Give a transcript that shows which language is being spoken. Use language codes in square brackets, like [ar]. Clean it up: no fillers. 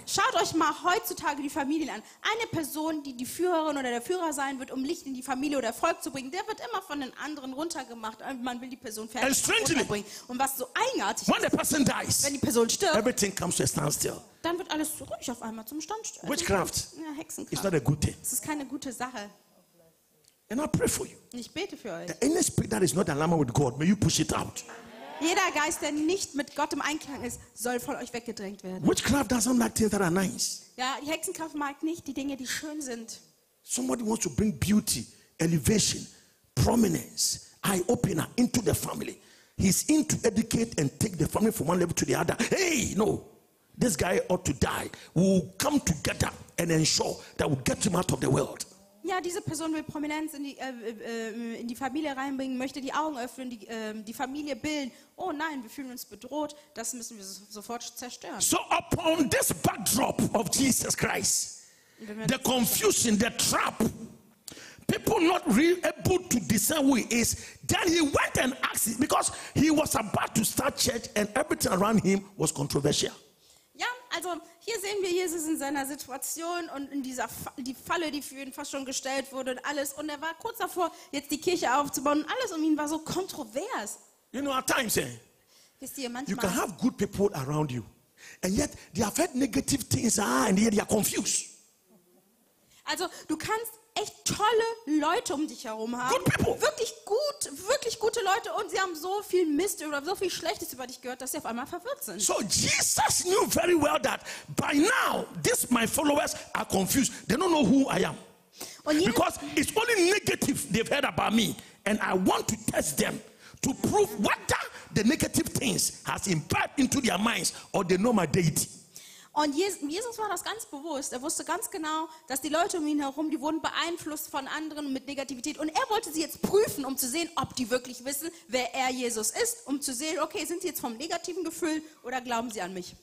[de] Schaut euch mal heutzutage die Familien an. Eine Person, die die Führerin oder der Führer sein wird, um Licht in die Familie oder Erfolg zu bringen, der wird immer von den anderen runtergemacht. Man will die Person fertig runterbringen. Und was so eigenartig [en] when the person dies, [de] wenn die Person stirbt, [en] everything comes to a standstill. [de] Dann wird alles ruhig auf einmal zum Standstill. [en] Witchcraft. [de] Ja, Hexenkraft. [en] It's not a good thing. [de] Es ist keine gute Sache. [en] And I pray for you. [de] Ich bete für euch. [en] The inner spirit that is not alignment with God, may you push it out. [de] Jeder Geist, der nicht mit Gott im Einklang ist, soll von euch weggedrängt werden. [en] Witchcraft doesn't like things that are nice. [de] Ja, die Hexenkraft mag nicht die Dinge, die schön sind. [en] Somebody wants to bring beauty, elevation, prominence, eye opener into the family. He's in to educate and take the family from one level to the other. Hey, no. This guy ought to die. We'll come together and ensure that we'll get him out of the world. [de] Ja, diese Person will Prominenz in die Familie reinbringen, möchte die Augen öffnen, die Familie bilden. Oh nein, wir fühlen uns bedroht, das müssen wir sofort zerstören. [en] So upon this backdrop of Jesus Christ, the confusion, the trap, people not really able to discern who he is, then he went and asked him, because he was about to start church and everything around him was controversial. [de] Ja, also hier sehen wir Jesus in seiner Situation und in dieser die Falle, die für ihn fast schon gestellt wurde und alles. Und er war kurz davor, jetzt die Kirche aufzubauen und alles um ihn war so kontrovers. [en] You know, at times, [de] wisst ihr, manchmal, [en] you can have good people around you and yet they have heard negative things and yet they are confused. [de] Also du kannst echt tolle Leute um dich herum haben. [en] Good people. [de] Wirklich gute Leute und sie haben so viel Mist oder so viel Schlechtes über dich gehört, dass sie auf einmal verwirrt sind. [en] So Jesus knew very well that by now this my followers are confused. They don't know who I am. Because it's only negative they've heard about me and I want to test them to prove whether the negative things has imparted into their minds or they know my deity. [de] Und Jesus war das ganz bewusst. Er wusste ganz genau, dass die Leute um ihn herum, die wurden beeinflusst von anderen mit Negativität. Und er wollte sie jetzt prüfen, um zu sehen, ob die wirklich wissen, wer er Jesus ist, um zu sehen, okay, sind sie jetzt vom negativen Gefühl oder glauben sie an mich?